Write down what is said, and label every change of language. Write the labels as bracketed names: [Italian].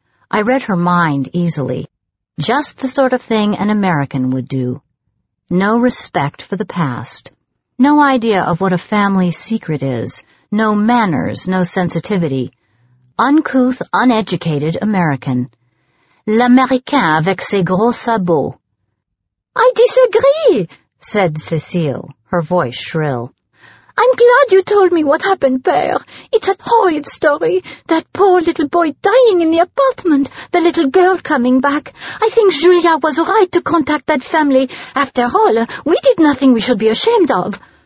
[English] I read her mind easily. Just the sort of thing an American would do. No respect for the past. No idea of what a family secret is, no manners, no sensitivity. Uncouth, uneducated American. [French] L'Américain avec ses gros sabots. [English] "I disagree," said Cécile, her voice shrill. "I'm glad you told me what happened, Père. It's a horrid story. That poor little boy dying in the apartment, the little girl coming back. I think Julia was right to contact that family. After all, we did nothing we should be ashamed of."